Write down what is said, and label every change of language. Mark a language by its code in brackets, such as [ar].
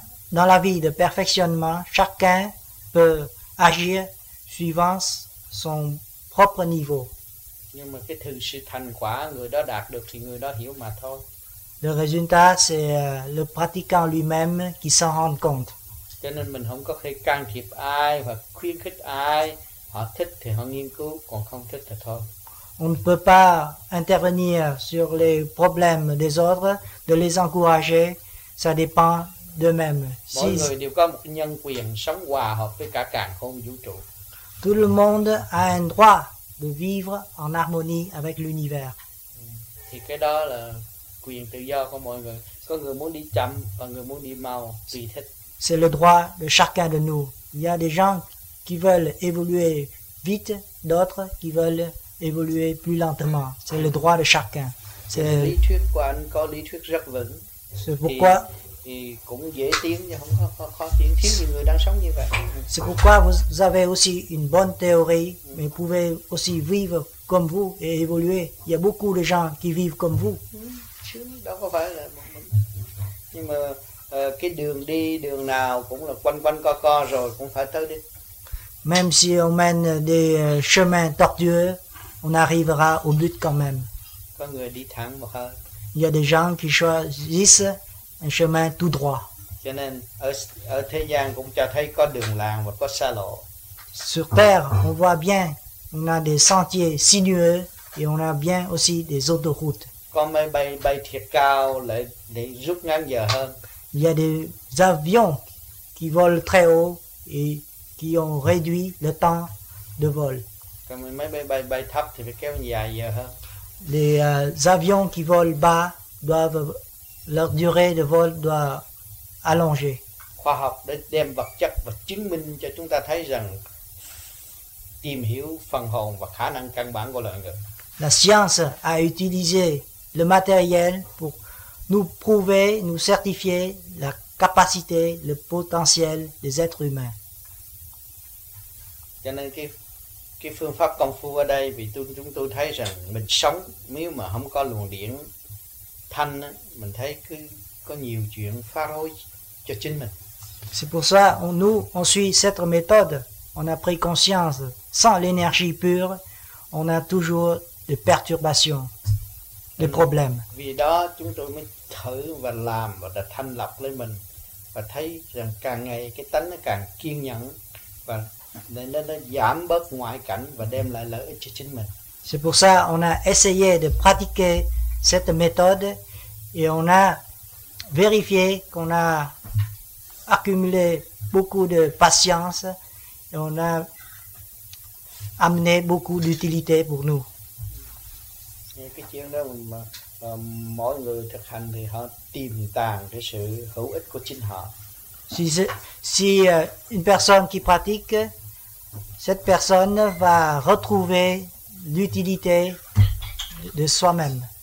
[fr] Dans la vie de perfectionnement, chacun peut agir suivant son propre niveau. [vi] Nhưng mà cái sự thành quả người đó đạt được thì người đó hiểu mà thôi. [fr] Le résultat, c'est le pratiquant lui-même qui s'en rend compte. [vi] Cho nên mình không có thể can thiệp ai hoặc khuyến khích ai. Họ thích thì họ nghiên cứu, còn không thích thì thôi. [fr] On ne peut pas intervenir sur les problèmes des autres, de les encourager. Ça dépend d'eux-mêmes. [vi] Mọi người đều có một nhân quyền sống hòa hợp với cả càn khôn vũ trụ. [fr] Tout le monde a un droit de vivre en harmonie avec l'univers. [vi] Thì cái đó là quyền tự do của mọi người. Có người muốn đi chậm và người muốn đi mau, tùy thích. [fr] C'est le droit de chacun de nous. Il y a des gens qui veulent évoluer vite, d'autres qui veulent évoluer plus lentement. C'est le droit de chacun. [vi] C'est lý thuyết của anh có lý thuyết rất vững. [fr] C'est pourquoi [vi] thì cũng dễ tiến, nhưng không có khó tiến, thiếu nhiều người đang sống như vậy. [fr] C'est pourquoi vous avez aussi une bonne théorie, mais pouvez aussi vivre comme vous et évoluer. Il y a beaucoup de gens qui vivent comme vous. [vi] Chứ đâu có phải là một mình. Nhưng mà cái đường đi, đường nào cũng là quanh quanh co co rồi, cũng phải tới đích. [fr] Même si on mène des chemins tortueux, on arrivera au but quand même. [vi] Có người đi thẳng một hơi. [fr] Il y a des gens qui choisissent un chemin tout droit. [vi] Cho nên ở thế gian cũng cho thấy có đường làng và có xa lộ. [fr] Sur terre, on voit bien, on a des sentiers sinueux et on a bien aussi des autoroutes. [vi] Có máy bay bay thiệt cao để rút ngắn giờ hơn. [fr] Il y a des avions qui volent très haut et qui ont réduit le temps de vol. [vi] Còn máy bay bay thấp thì phải kéo dài giờ hơn. [fr] Les avions qui volent bas doivent leur durée de vol doit allonger. [vi] Khoa học đã đem vật chất và chứng minh cho chúng ta thấy rằng tìm hiểu phần hồn và khả năng căn bản của loài người. [fr] La science a utilisé le matériel pour nous prouver, nous certifier la capacité, le potentiel des êtres humains. [vi] Cho nên cái phương pháp công phu ở đây vì chúng tôi thấy rằng mình sống nếu mà không có luồng điển thanh á, mình thấy cứ có nhiều chuyện phá rối cho chính mình. [fr] C'est pour ça, nous on suit cette méthode. On a pris conscience sans l'énergie pure, on a toujours des perturbations, des problèmes. [vi] Vì đó chúng tôi mới thử và làm và đã thanh lọc lên mình và thấy rằng càng ngày cái tánh nó càng kiên nhẫn và nó giảm bớt ngoại cảnh và đem lại lợi ích cho chính mình. [fr] C'est pour ça on a essayé de pratiquer cette méthode et on a vérifié qu'on a accumulé beaucoup de patience et on a amené beaucoup d'utilité pour nous. [vi] Et cái chuyện đó mà mỗi người thực hành thì họ tìm tàng cái sự hữu ích của chính họ. [fr] Si une personne qui pratique, cette personne va retrouver l'utilité de soi-même.